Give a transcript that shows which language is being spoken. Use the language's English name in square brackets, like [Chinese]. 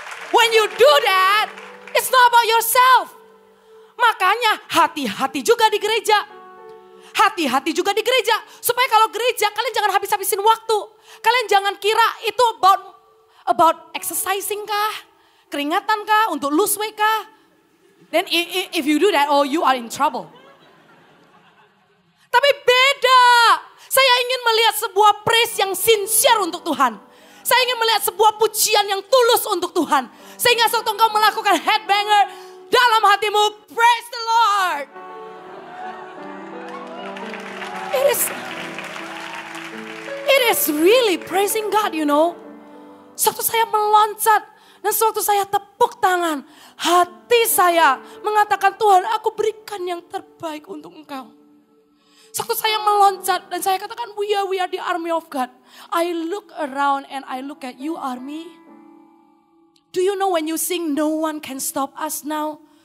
[English] When you do that, it's not about yourself. [Indonesian] Makanya hati-hati juga di gereja. Hati-hati juga di gereja. Supaya kalau gereja, kalian jangan habis-habisin waktu. Kalian jangan kira itu [English] about exercising [Indonesian] kah? Keringatan kah? Untuk [English] lose weight [Indonesian] kah? [English] Then if you do that, oh, you are in trouble. [Indonesian] Tapi beda. Saya ingin melihat sebuah praise yang sincere untuk Tuhan. Saya ingin melihat sebuah pujian yang tulus untuk Tuhan. Sehingga sewaktu engkau melakukan headbanger dalam hatimu, [English] praise the Lord. It is is really praising God, you know. [Indonesian] Sewaktu saya meloncat dan sewaktu saya tepuk tangan, hati saya mengatakan, Tuhan, aku berikan yang terbaik untuk Engkau. Sewaktu saya meloncat dan saya katakan, [English] we are the army of God. I look around and I look at you, army. Do you know when you sing, no one can stop us now?